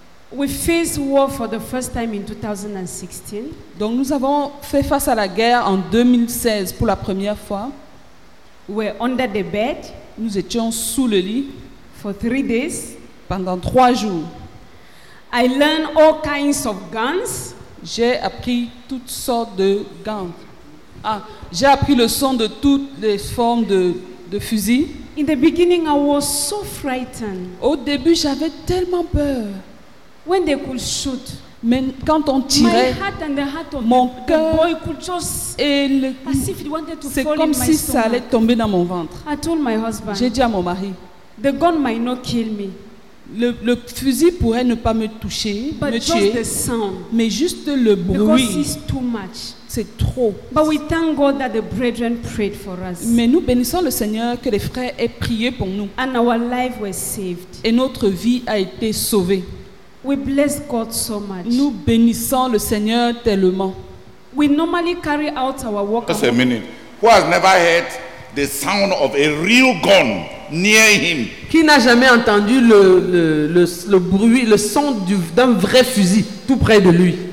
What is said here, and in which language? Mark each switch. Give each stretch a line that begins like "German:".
English: We faced war for the first time in 2016.
French: Donc nous avons fait face à la guerre en 2016 pour la première fois.
English: We're under the bed.
French: Nous étions sous le lit.
English: For 3 days.
French: Pendant 3 jours.
English: I learned all kinds of guns.
French: J'ai appris toutes sortes de guns. Ah, j'ai appris le son de toutes les formes de fusils.
English: In the beginning, I was so frightened.
French: Au début, j'avais tellement peur.
English: When they could shoot,
French: mais quand on tirait,
English: my heart and the heart of
French: mon cœur
English: the boy could just,
French: et le,
English: as if it wanted to
French: c'est
English: fall
French: comme
English: in
French: si
English: my stomach.
French: Ça allait tomber dans mon ventre.
English: I told my husband,
French: j'ai dit à mon mari,
English: the gun might not kill me.
French: Le fusil pourrait ne pas me toucher,
English: but
French: me
English: just
French: tuer,
English: the sound,
French: mais juste le bruit,
English: it's too much.
French: C'est trop.
English: But we thank God that the brethren prayed for us.
French: Mais nous bénissons le Seigneur que les frères aient prié pour nous.
English: And our life was saved.
French: Et notre vie a été sauvée.
English: We bless God so much.
French: Nous bénissons le Seigneur tellement.
English: We normally carry out our work. Just a minute. Who has never heard the sound of a real gun near him?
French: Qui n'a jamais entendu le bruit, le son d'un vrai fusil tout près de lui?